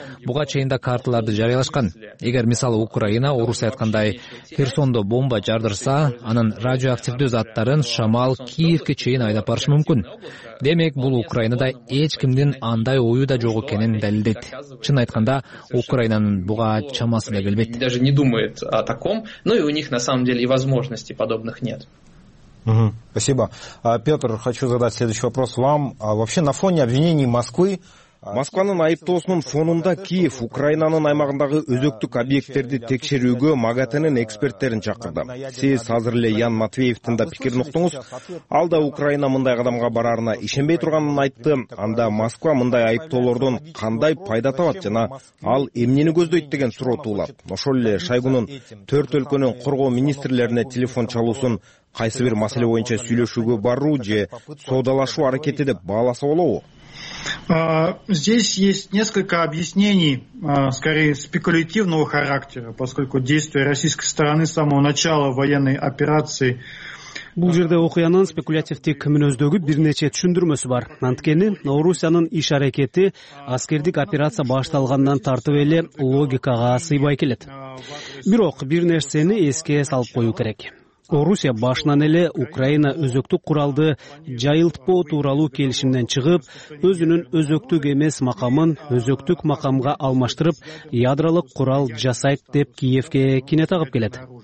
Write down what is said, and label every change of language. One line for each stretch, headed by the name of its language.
Kyrgyz: Буга чейин да карталарды жарыялашкан. Эгер мисалы Украина Орусия айткандай Херсондо бомба жардырса, анын радиоактивдүү заттарын шамал Киевке чейин айдап барышы мүмкүн. Демек, бул Украинада эч кимдин андай ою да жок экенин далилдейт. Чын айтканда, Украинанын буга чамасы да келбейт.
Russian: Даже не думает о таком, но и у них на самом деле и возможностей подобных нет. Спасибо. Петр, хочу задать следующий вопрос вам. Вообще, на фоне обвинений Москвы...
Kyrgyz: Москванын айыптоосунун фонунда Киев Украинанын аймагындагы өзөктүк объекттерди текшерүүгө МАГАТЭнин эксперттерин чакырды. Сиз азыр эле Ян Матвеевдин да пикирин уктуңуз. Ал да Украина мындай кадамга бараарына ишенбей турганын айтты. Анда Москва мындай айыптоолордон кандай пайда табат жана ал эмнени көздөйт деген суроо туулат. Ошол эле Шойгунун төрт өлкөнүн коргоо министрлерине телефон чалуусун кайсы бир маселе боюнча сүйлөшүүгө баруу же соодалашуу аракети деп бааласа болобу?
Russian: Здесь есть несколько объяснений, скорее спекулятивного характера, поскольку действия российской стороны с самого начала военной операции.
Kyrgyz: Бул жерде окуянын спекулятивдик мүнөздөгү бир нече түшүндүрмөсү бар. Анткени Орусиянын иш аракети аскердик операция башталгандан тартып эле логикага сыйбай келет. Бирок бир нерсени эске салып коюу керек. Орусия башынан эле Украина өзөктүк куралды жайылтпоо тууралуу келишимден чыгып, өзүнүн өзөктүк эмес макамын өзөктүк макамга алмаштырып, ядролук курал жасайт деп Киевке кине тагып келет.